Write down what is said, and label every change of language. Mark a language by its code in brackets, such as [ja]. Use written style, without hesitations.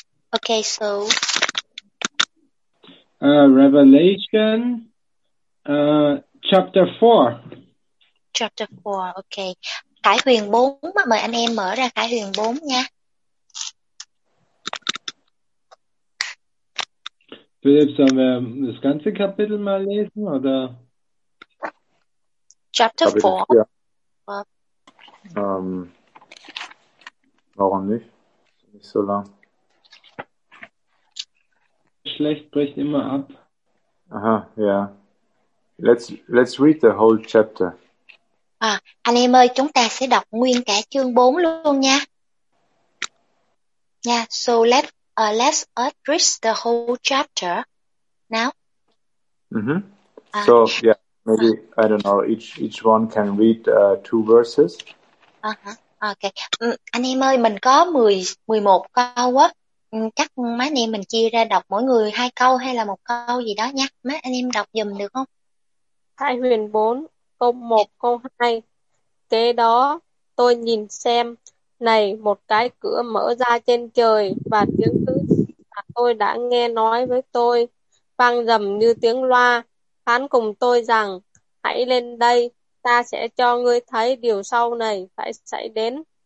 [en] Okay, so Revelation chapter 4. Chapter 4, okay. [vi] Khải Huyền 4, mời anh em mở ra Khải Huyền 4 nha. [de] Philip, sollen wir das ganze Kapitel mal lesen, oder? [en] Chapter 4. [de] Warum nicht? Nicht so lang. Schlecht bricht immer ab. [en] Aha, ja. Yeah. Let's read the whole chapter. [vi] Anh em ơi, chúng ta sẽ đọc nguyên cả chương 4 luôn nha. [en] Yeah, so let's address the whole chapter now. Mm-hmm. So yeah, maybe I don't know, each one can read two verses. [vi] Uh-huh. Okay. Anh em ơi, mình có 11 câu á. Chắc mấy anh em mình chia ra đọc mỗi người hai câu hay là một câu gì đó nha. Mấy anh em đọc giùm được không? Khải Huyền 4 câu 1 câu 2. Kế đó tôi nhìn xem, này một cái cửa mở ra trên trời, và tiếng thứ mà tôi đã nghe nói với tôi vang rầm như tiếng loa phán cùng tôi rằng, hãy lên đây, ta sẽ cho ngươi thấy điều sau này phải xảy đến.